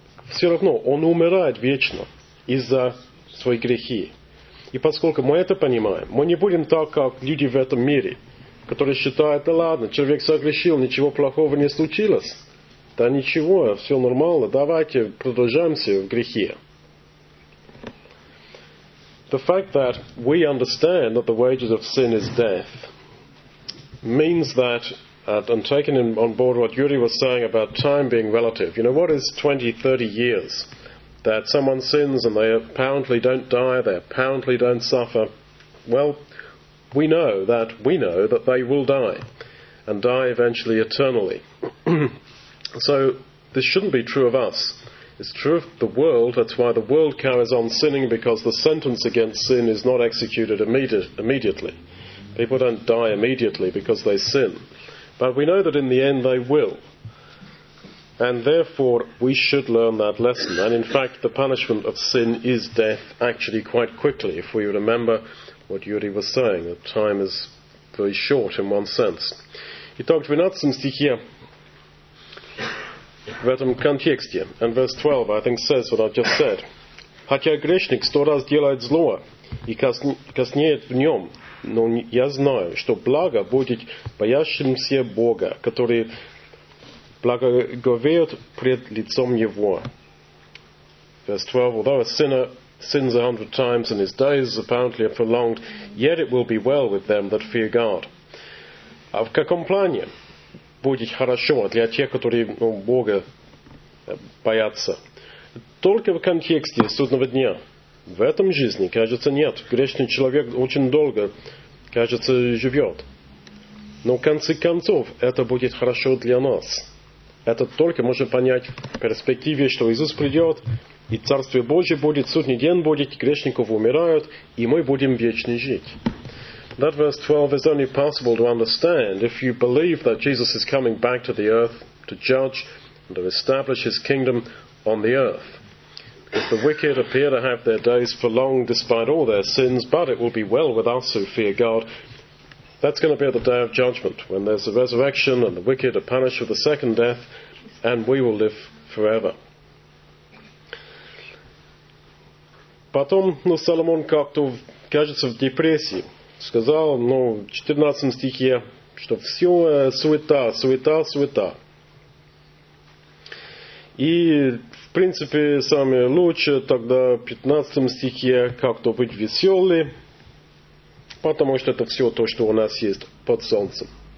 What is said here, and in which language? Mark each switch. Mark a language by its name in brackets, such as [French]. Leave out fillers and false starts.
[Russian] Все равно он умирает вечно из-за своих грехи. И поскольку мы это понимаем, мы не будем так, как люди в этом мире, которые считают, да ладно, человек согрешил, ничего плохого не случилось. Да ничего, все нормально, давайте продолжаемся в грехе. [English] The fact that we understand that the wages of sin is death means that, and taking on board what Yuri was saying about time being relative, you know, what is 20, 30 years? That someone sins and they apparently don't die, they apparently don't suffer. Well, we know that they will die, and die eventually eternally. So, this shouldn't be true of us. It's true of the world. That's why the world carries on sinning, because the sentence against sin is not executed immediately. People don't die immediately because they sin. But we know that in the end they will. And therefore, we should learn that lesson. And in fact, the punishment of sin is death, actually quite quickly, if we remember what Yuri was saying, that time is very short in one sense. [Russian] Итак, 12 стихе. В этом контексте. [English] And verse 12, I think, says what I just said. [Russian] Хотя грешник сто раз делает зло и коснеет в нем, но я знаю, что благо будет боящимся Бога, который благоговеет пред лицом Его. [English] Verse 12, although a sinner sins 100 times and his days apparently are prolonged, yet it will be well with them that fear God. [Russian] А в каком плане будет хорошо для тех, которые Бога боятся? Только в контексте судного дня. В этом жизни, кажется, нет. Грешный человек очень долго, кажется, живет. Но в конце концов, это будет хорошо для нас. Это только можно понять в перспективе, что Иисус придет, и Царствие Божие будет, судный день будет, грешников умирают, и мы будем вечно жить. [English] That verse 12 is only possible to understand if you believe that Jesus is coming back to the earth to judge and to establish his kingdom on the earth. Because the wicked appear to have their days prolonged despite all their sins, but it will be well with us who fear God. That's going to be at the day of judgment, when there's a resurrection and the wicked are punished with a second death, and we will live forever. [Russian] Потом, Соломон как-то, кажется, в депрессии. Сказал, в 14 стихе, что все суета, суета, суета. И, в принципе, самое лучшее тогда в 15 стихе как-то быть веселым, потому что это все то, что у нас есть под солнцем.